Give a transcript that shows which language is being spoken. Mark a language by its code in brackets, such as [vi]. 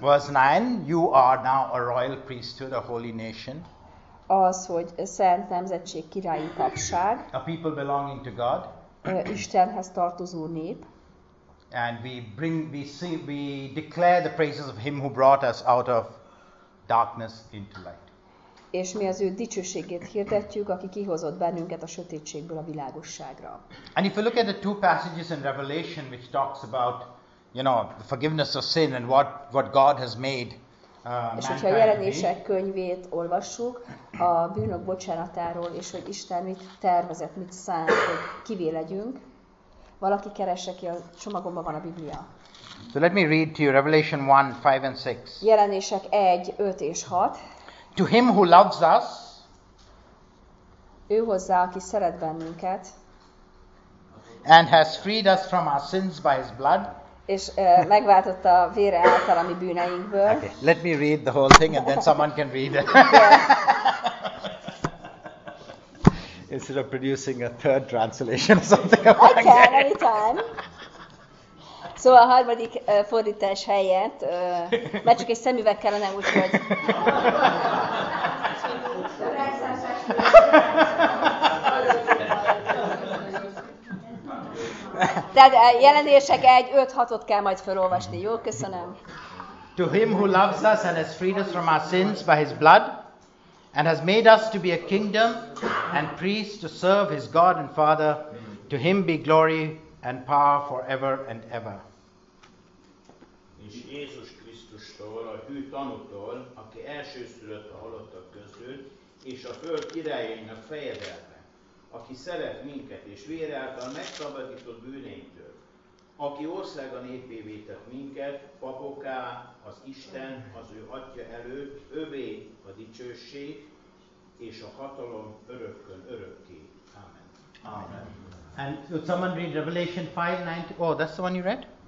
[en] Verse 9, you are now a royal priesthood, a holy nation. [hu] Az, hogy szent nemzetség, királyi papság. [en] A people belonging to God. [hu] Istenhez tartozó nép. [en] And we declare the praises of him who brought us out of darkness into light. [hu] És mi az ő dicsőségét hirdetjük, aki kihozott bennünket a sötétségből a világosságra. [en] And if you look at the two passages in Revelation which talks about, you know, the forgiveness of sin and what God has made. [hu] És hogyha a Jelenések könyvét olvassuk, a bűnök bocsánatáról és hogy Isten mit tervezett, mit szánt, hogy kivé legyünk. Valaki keresse ki, a csomagomban van a Biblia. [en] So let me read to you Revelation 1, 5 and 6. [hu] Jelenések 1, 5 és 6. [en] To him who loves us. [hu] Ő hozzá, aki szeret bennünket. [en] And has freed us from our sins by his blood. [hu] És megváltott a vére által a mi bűneinkből. [en] Okay, let me read the whole thing and then someone can read it. Instead of producing a third translation or something. I can, anytime. [hu] So a harmadik fordítás helyett, mert csak egy szemüveg kellene, úgyhogy... Tehát Jelenések 1-5-6-ot kell majd felolvasni. Jó, köszönöm. [en] To him who loves us and has freed us from our sins by his blood, and has made us to be a kingdom and priests to serve his God and Father. To him be glory and power forever and ever. [hu] És Jézus Krisztustól, a hű tanútól, aki elsőszülött a halottak közül, és a föld királyainak fejedelme, aki szeret minket, és vére által megszabadított bűneinktől, aki országa népévé tett minket, papokká, az Isten, az ő atya előtt, övé a dicsőség, és a hatalom örökkön örökké. Amen. Amen. [en] And would someone read Revelation 5:9? Oh, that's the one you read?